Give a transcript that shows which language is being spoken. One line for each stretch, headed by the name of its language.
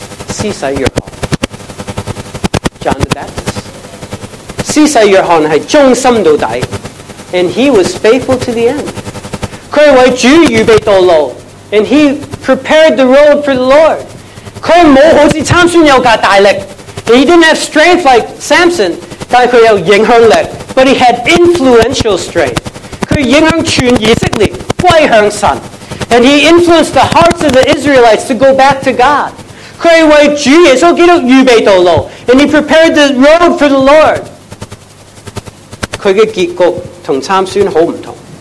Chinese: 施洗约翰,
English: John the Baptist.
Chinese: 施洗约翰是忠心到底,
English: and he was faithful to the end.
Chinese: 他为主预备道路,
English: and he prepared the road for the Lord.
Chinese: 他没有像参孙有个大力,
English: he didn't have strength like Samson,
Chinese: 但他有影响力,
English: but he had influential strength.
Chinese: 他影响全以色列归向神,
English: and he influenced the hearts of the Israelites to go back to God.
Chinese: 他为主耶稣基督预备道路,
English: and he prepared the road for the Lord.
Chinese: 他的结局和参孙很不同,